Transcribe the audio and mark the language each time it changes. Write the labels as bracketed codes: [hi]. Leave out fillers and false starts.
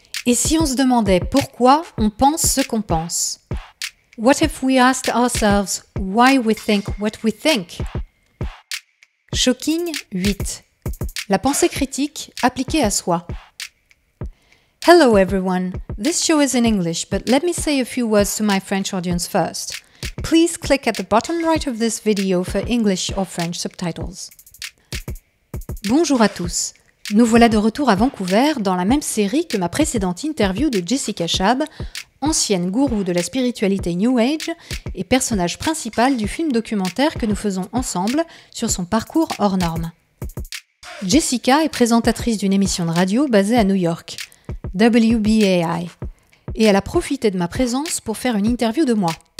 [fr] Et si on se demandait pourquoi on pense ce qu'on pense? [en] What if we asked ourselves why we think what we think? [fr] Shocking 8. La pensée critique appliquée à soi. [en] Hello everyone. This show is in English, but let me say a few words to my French audience first. Please click at the bottom right of this video for English or French subtitles. [fr] Bonjour à tous. Nous voilà de retour à Vancouver dans la même série que ma précédente interview de Jessica Schab, ancienne gourou de la spiritualité New Age et personnage principal du film documentaire que nous faisons ensemble sur son parcours hors normes. Jessica est présentatrice d'une émission de radio basée à New York, WBAI, et elle a profité de ma présence pour faire une interview de moi.